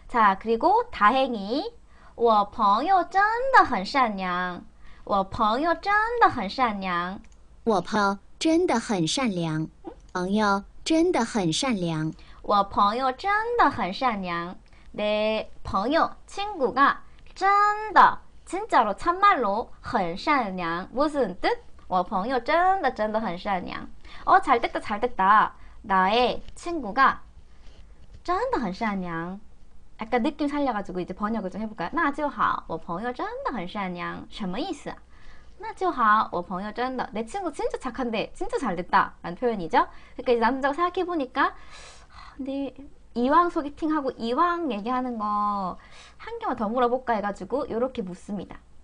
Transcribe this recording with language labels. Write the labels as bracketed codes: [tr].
[ko] 자 그리고 다행히 [zh] 我朋友真的很善良。我朋友真的很善良。我朋友真的很善良，朋友真的很善良。我朋友真的很善良。 [ko] 내 朋友 친구가 真的 진짜로 참말로 [zh] 很善良 [ko] 무슨 뜻? [zh] 我朋友真的很善良. [ko] 잘 됐다 잘 됐다. 나의 친구가 [zh] 真的很善良. [ko] 약간 느낌 살려가지고 이제 번역을 좀 해볼까요? [zh] 那就好,我朋友真的很善良. 什么意思?那就好,我朋友真的. [ko] 내 친구 진짜 착한데, 진짜 잘 됐다. 라는 표현이죠. 그러니까 이제 남자가 생각해보니까, 근데 이왕 소개팅하고 이왕 얘기하는 거, 한 개만 더 물어볼까 해가지고, 요렇게 묻습니다.